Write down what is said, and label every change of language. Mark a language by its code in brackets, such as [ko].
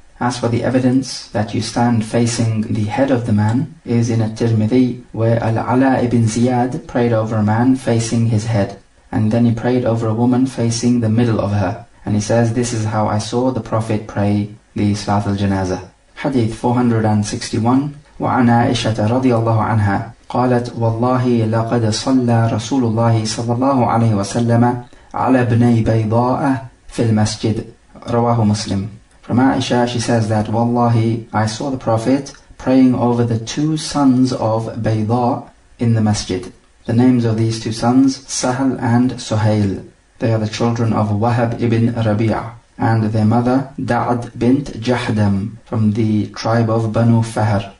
[en] As for the evidence that you stand facing the head of the man is in At-Tirmidhi where Al-Ala ibn Ziyad prayed over a man facing his head. And then he prayed over a woman facing the middle of her. And he says, this is how I saw the Prophet pray the Salat al-Janazah. Hadith 461. [ar] وعن عائشة رضي الله عنها قالت والله لقد صلى رسول الله صلى الله عليه وسلم على ابني بيضاء في المسجد رواه مسلم. [en] From Aisha, she says that, Wallahi, I saw the Prophet praying over the two sons of Bayda in the masjid. The names of these two sons, Sahal and Suhail. They are the children of Wahab ibn Rabi'ah. And their mother, Da'ad bint Jahdam, from the tribe of Banu Fahr.